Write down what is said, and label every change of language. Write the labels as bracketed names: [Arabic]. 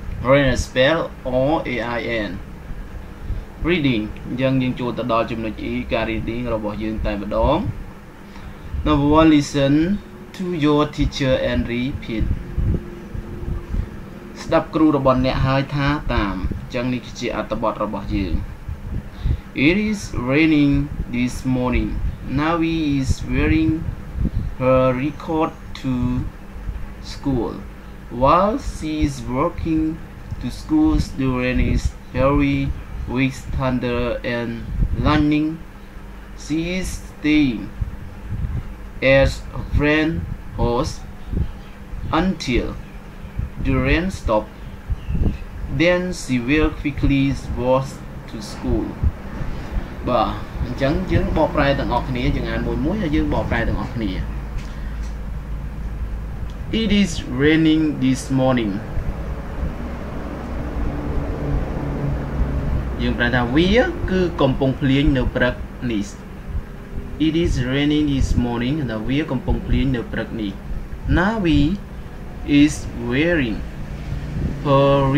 [English] rain is spelled R-A-I-N reading [Khmer] អញ្ចឹងយើងចូលទៅដល់ចំណុច E ការ reading របស់យើងតែម្ដង [English] number 1 listen to your teacher and repeat [Khmer] ស្ដាប់គ្រូរបស់អ្នកហើយថាតាមអញ្ចឹងនេះគឺជាអត្ថបទរបស់យើង [English] It is raining this morning. Navi is wearing her raincoat to school. While she is walking to school, the rain is heavy with thunder and lightning. She is staying at a friend's house until the rain stops. Then she will quickly walk to school. [Khmer] បាទអញ្ចឹងយើងបកប្រែទាំងអស់គ្នាយើងអានមួយមួយហើយយើងបកប្រែទាំងអស់គ្នា [English] It is raining this morning [Khmer] យើងប្រែថាវាគឺកំពុងភ្លៀងនៅព្រឹកនេះ It is raining this morning ដល់វាកំពុងភ្លៀងនៅព្រឹកនេះ [English] Navi is wearing her